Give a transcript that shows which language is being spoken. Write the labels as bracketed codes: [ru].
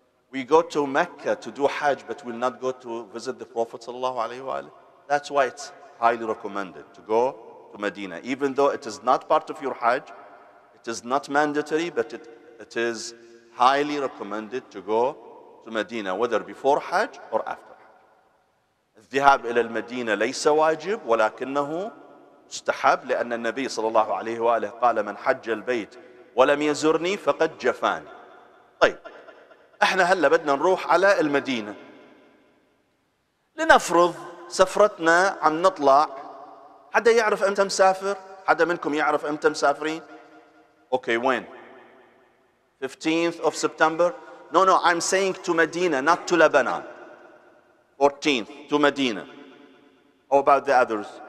[en] We go to Mecca to do Hajj, but we'll not go to visit the Prophet sallallahu alayhi wa alayhi. That's why it's highly recommended to go to Medina. Even though it is not part of your Hajj, it is not mandatory, but it is highly recommended to go to Medina, whether before Hajj or after Hajj. [ar] الذهاب إلى المدينة ليس واجب ولكنه استحب لأن النبي صلى الله عليه وآله قال من حج البيت ولم يزرني فقد جفاني. طيب. احنا هلا بدنا نروح على المدينه لنفرض سفرتنا عم نطلع حدا يعرف امتى مسافر حدا منكم يعرف امتى مسافرين اوكي وين [en] 15th of september no I'm saying to medina not to lebanon 14th to medina how about the others